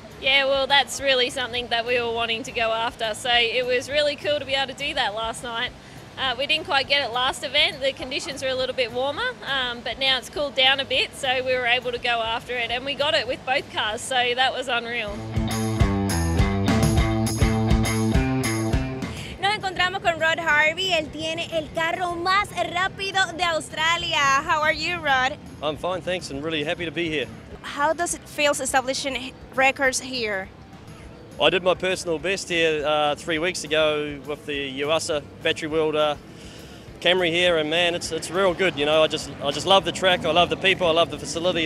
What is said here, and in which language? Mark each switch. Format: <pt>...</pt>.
<en>Yeah, well, that's really something that we were wanting to go after, so it was really cool to be able to do that last night. We didn't quite get it last event, the conditions were a little bit warmer, but now it's cooled down a bit, so we were able to go after it, and we got it with both cars, so that was unreal.</en> <es>Nos encontramos con Rod Harvey, él tiene el carro más rápido de Australia.</es> <en>How are you, Rod? I'm fine, thanks, and really happy to be here. How does it feel establishing records here? I did my personal best here 3 weeks ago with the Yuasa Battery World Camry here, and man, it's real good. You know, I just love the track, I love the people, I love the facility.</en>